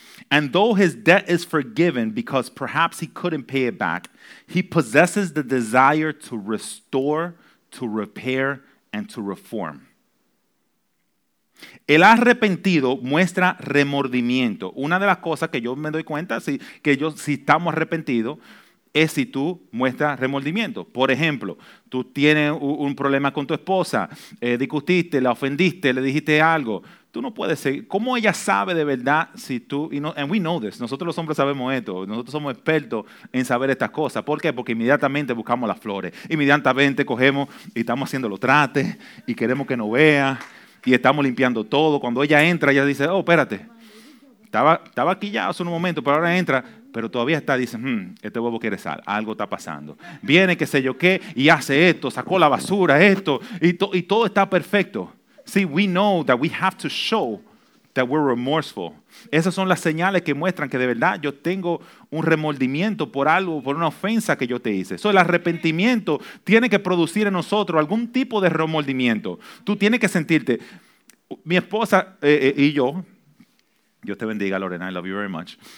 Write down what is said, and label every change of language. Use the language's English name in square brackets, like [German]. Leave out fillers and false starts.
[English] And though his debt is forgiven because perhaps he couldn't pay it back, he possesses the desire to restore, to repair, and to reform. [Spanish] El arrepentido muestra remordimiento. Una de las cosas que yo me doy cuenta, si estamos arrepentidos, es si tú muestras remordimiento. Por ejemplo, tú tienes un problema con tu esposa, discutiste, la ofendiste, le dijiste algo. Tú no puedes seguir. ¿Cómo ella sabe de verdad si tú? [English] And we know this. [Spanish] Nosotros los hombres sabemos esto. Nosotros somos expertos en saber estas cosas. ¿Por qué? Porque inmediatamente buscamos las flores. Inmediatamente cogemos y estamos haciendo los trates y queremos que nos vea y estamos limpiando todo. Cuando ella entra, ella dice, oh, espérate. Estaba aquí ya hace un momento, pero ahora entra. Pero todavía está, dice, este huevo quiere sal. Algo está pasando. Viene, qué sé yo qué, y hace esto. Sacó la basura, esto. Y todo está perfecto. [English] See, we know that we have to show that we're remorseful. [Spanish] Esas son las señales que muestran que de verdad yo tengo un remordimiento por algo, por una ofensa que yo te hice. So, el arrepentimiento tiene que producir en nosotros algún tipo de remordimiento. Tú tienes que sentirte. Mi esposa y yo, Dios te bendiga, Lorena, [English] I love you very much.